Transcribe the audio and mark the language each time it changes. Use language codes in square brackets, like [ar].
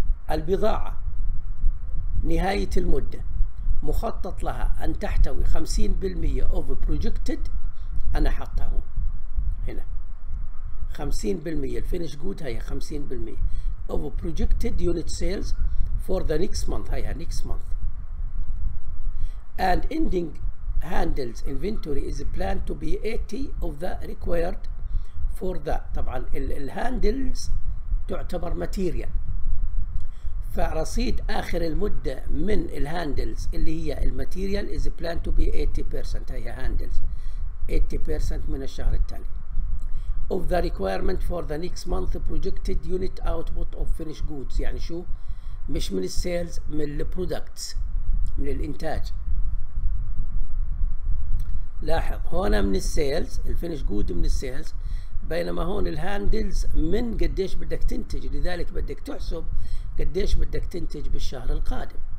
[ar] البضاعة نهاية المدة مخطط لها أن تحتوي 50% [en] of projected، [ar] أنا حطها هون هنا 50% الفينش جود، هي 50% [en] of projected unit sales for the next month، [ar] هيها [en] next month and ending handles inventory is planned to be 80 of the required for that. [ar] طبعا ال handles تعتبر material. فرصيد آخر المدة من ال handles اللي هي الماتيريال [en] is planned to be 80%. [ar] هي handles 80% من الشهر التالي. [en] Of the requirement for the next month projected unit output of finished goods. [ar] يعني شو؟ مش من السيلز، من البرودكتس، من الانتاج. لاحظ هون من السيلز، الفينش جود من السيلز، بينما هون الهاندلز من قديش بدك تنتج، لذلك بدك تحسب قديش بدك تنتج بالشهر القادم.